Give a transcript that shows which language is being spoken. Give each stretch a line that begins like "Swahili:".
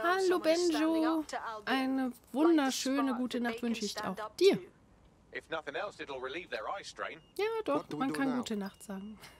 German: Hallo Benjo, eine wunderschöne gute Nacht wünsche ich auch dir.
English: If nothing else, it'll relieve their eye strain.
German: Ja, doch, man kann gute Nacht sagen.